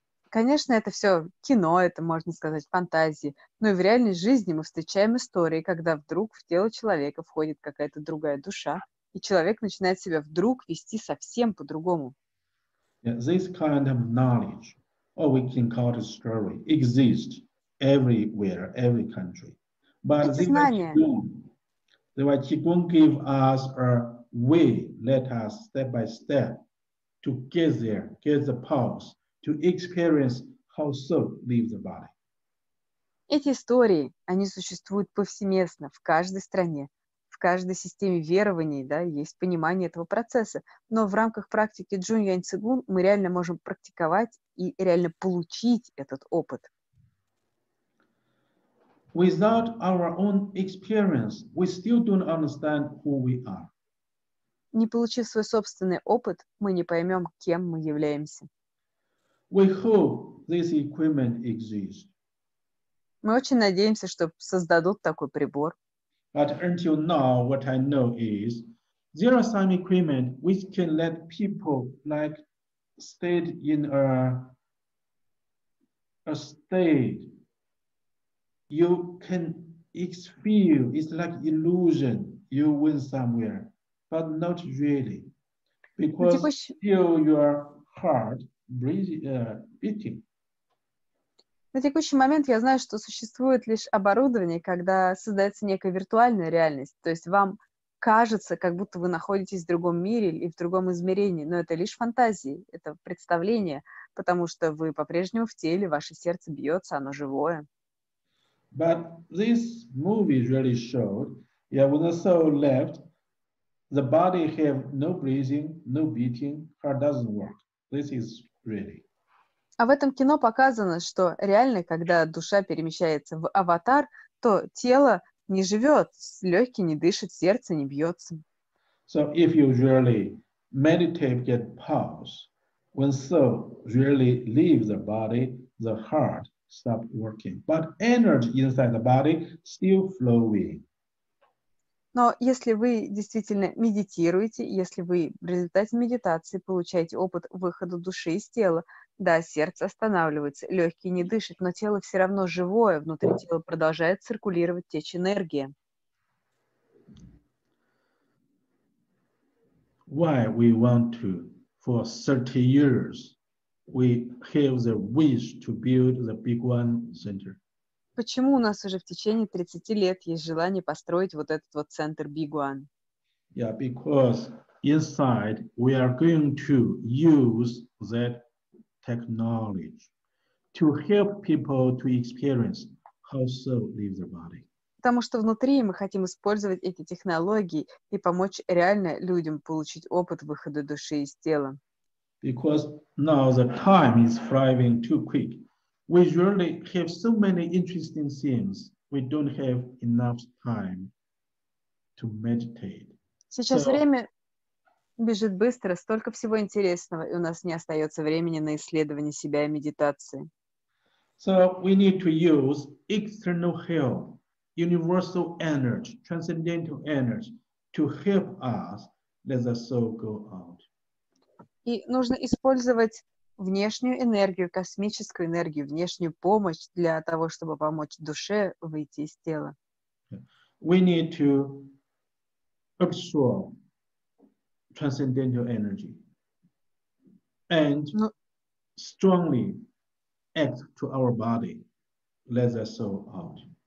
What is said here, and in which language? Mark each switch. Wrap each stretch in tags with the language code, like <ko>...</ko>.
<ru>Конечно, это все кино, это, можно сказать, фантазии. Но и в реальной жизни мы встречаем истории, когда вдруг в тело человека входит какая-то другая душа, и человек начинает себя вдруг вести совсем по-другому.</ru> <en>Yeah, this kind of knowledge, or we can call it story, exists everywhere, every country. But the Wai Chi Kung give us a way, let us step by step to get there, get the pulse, to experience how soul leaves the body.</en> <ru>Эти истории, они существуют повсеместно, в каждой стране, в каждой системе верований, да, есть понимание этого процесса. Но в рамках практики Джун Юань Цигун мы реально можем практиковать и реально получить этот опыт.</ru> <en>Without our own experience, we still don't understand who we are.</en> <ru>Не получив свой собственный опыт, мы не поймем, кем мы являемся.</ru> <en>We hope this equipment exists.</en> <ru>Мы очень надеемся, что создадут такой прибор.</ru> <en>But until now, what I know is, there are some equipment which can let people like stay in a state. You can feel it's like illusion. You went somewhere, but not really, because still your heart beating.</en> <ru>На текущий момент я знаю, что существует лишь оборудование, когда создается некая виртуальная реальность. То есть вам кажется, как будто вы находитесь в другом мире или в другом измерении, но это лишь фантазии, это представление, потому что вы по-прежнему в теле, ваше сердце бьется, оно живое.</ru> <en>But this movie really showed, yeah, when the soul left, the body have no breathing, no beating, heart doesn't work. This is really.</en> <ru>А в этом кино показано, что реально, когда душа перемещается в аватар, то тело не живет, легкие не дышат, сердце не бьется.</ru> <en>So if you really meditate, get pause, when soul really leaves the body, the heart stop working, but energy inside the body still flowing.</en> <ru>Но если вы действительно медитируете, если вы в результате медитации получаете опыт выхода души из тела, да, сердце останавливается, легкие не дышат, но тело все равно живое, внутри тела продолжает циркулировать, течь энергия.</ru> <en>Why we want to, for 30 years, we have the wish to build the Big One Center.</en> <ru>Почему у нас уже в течение 30 лет есть желание построить вот этот вот центр Big One?</ru> <en>Yeah, because inside we are going to use that technology to help people to experience how soul leaves the body.</en> <ru>Потому что внутри мы хотим использовать эти технологии и помочь реально людям получить опыт выхода души из тела.</ru> <en>Because now the time is flying too quick. We usually have so many interesting things. We don't have enough time to meditate.</en> <ru>Сейчас время бежит быстро, столько всего интересного, и у нас не остается времени на исследование себя и медитации.</ru> <en>So we need to use external help, universal energy, transcendental energy to help us let the soul go out.</en> <ru>И нужно использовать внешнюю энергию, космическую энергию, внешнюю помощь для того, чтобы помочь душе выйти из тела.</ru> <en>We need to absorb transcendental energy and strongly act to our body, let the soul out.</en>